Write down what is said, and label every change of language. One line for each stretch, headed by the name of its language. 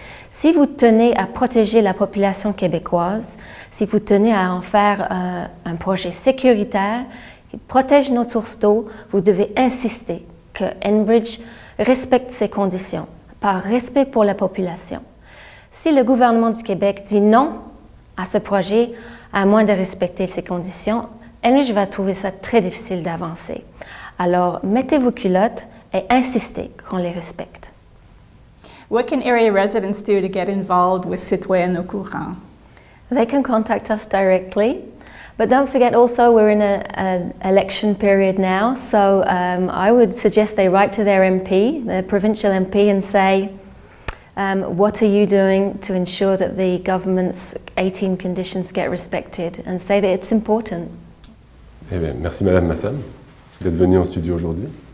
French: Si vous tenez à protéger la population québécoise, si vous tenez à en faire un projet sécuritaire qui protège nos sources d'eau, vous devez insister que Enbridge respecte ces conditions, par respect pour la population. Si le gouvernement du Québec dit non à ce projet, à moins de respecter ces conditions, Enbridge va trouver ça très difficile d'avancer. Alors, mettez vos culottes et insistez qu'on les respecte.
English: What can area residents do to get involved with citoyens au courant? They can contact us directly. But don't forget also, we're in an election period now, so I would suggest they write to their MP, their provincial MP, and say, What are you doing to ensure that the government's 18 conditions get respected and say that it's important?
French: Eh bien, merci Madame Massam d'être venue en studio aujourd'hui.